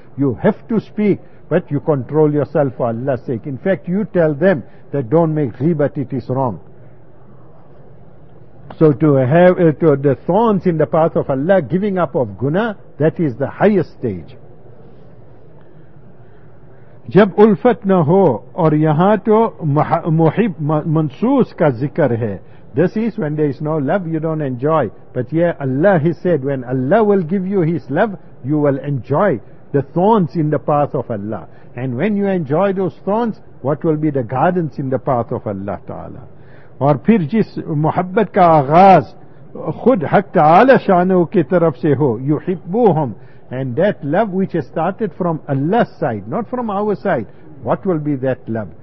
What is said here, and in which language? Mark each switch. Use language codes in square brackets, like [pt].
[en] You have to speak. But you control yourself for Allah's sake. In fact, you tell them that don't make ghibat, it is wrong. So to have to the thorns in the path of Allah, giving up of guna, that is the highest stage. [ur] جب الفت نہ ہو, اور یہاں تو محب منصوص کا ذکر ہے. [en] This is when there is no love, you don't enjoy. But yeah, Allah, He said, when Allah will give you His love, you will enjoy the thorns in the path of Allah. And when you enjoy those thorns, what will be the gardens in the path of Allah Ta'ala? [ur] اور پھر جس محبت کا آغاز خود حق تعالی شانو کی طرف سے ہو, يحبوهم, [en] and that love which has started from Allah's side, not from our side, what will be that love?